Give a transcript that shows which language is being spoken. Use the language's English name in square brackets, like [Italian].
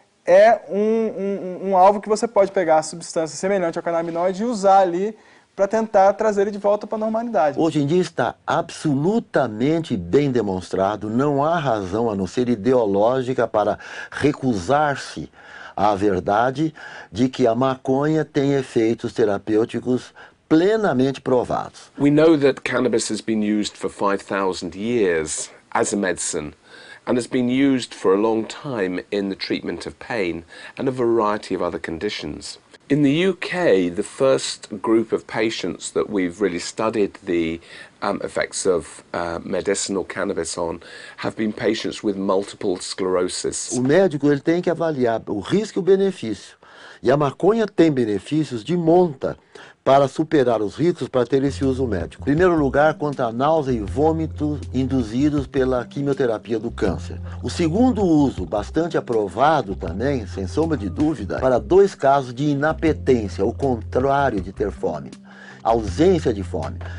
[Portuguese] é um alvo que você pode pegar a substância semelhante ao canabinoide e usar ali para tentar trazer ele de volta para a normalidade. Hoje em dia está absolutamente bem demonstrado, não há razão a não ser ideológica para recusar-se à verdade de que a maconha tem efeitos terapêuticos plenamente provados. [English] We know that cannabis has been used for 5,000 years as a medicine and has been used for a long time in the treatment of pain and a variety of other conditions. In the UK, the first group of patients that we've really studied the effects of medicinal cannabis on have been patients with multiple sclerosis. [Portuguese] O médico ele tem que avaliar o risco e o benefício. E a maconha tem benefícios de monta para superar os riscos para ter esse uso médico. Em primeiro lugar, contra a náusea e vômito induzidos pela quimioterapia do câncer. O segundo uso, bastante aprovado também, sem sombra de dúvida, para dois casos de inapetência, o contrário de ter fome, ausência de fome.